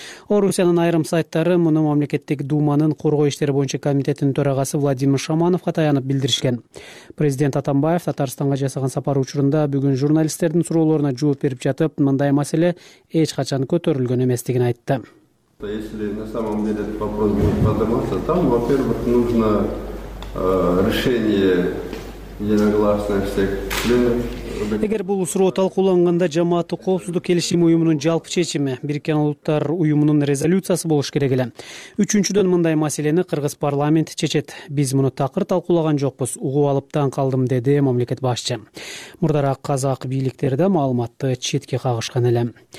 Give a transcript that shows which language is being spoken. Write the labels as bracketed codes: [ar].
[ky] Орусиянын айрым сайттары муну мамлекеттик дууманын коргоо иштери боюнча комитетинин төрагасы Владимир Шамановго таянып билдиришкен. Президент Атамбаев Татарстанга жасаган сапары учурунда бүгүн журналисттердин суроолоруна жооп берип жатып, мындай маселе эч качан көтөрүлгөн эмес. [ru] Если на самом деле этот вопрос будет подниматься, там, во-первых, нужно решение единогласное всех членов. [ky] Эгер бул суроо талкууланганда жамааттык коопсуздук келишими уюмунун жалпы чечими, Бириккен Улуттар уюмунун резолюциясы болуш керек эле. Үчүнчүдөн, мындай маселени кыргыз парламент чечет. Биз муну такыр талкуулаган жокпуз, угуп алыптан калдым, деди мамлекет башчы. Мурдараак казак бийликтери да маалыматты четке кагышкан эле.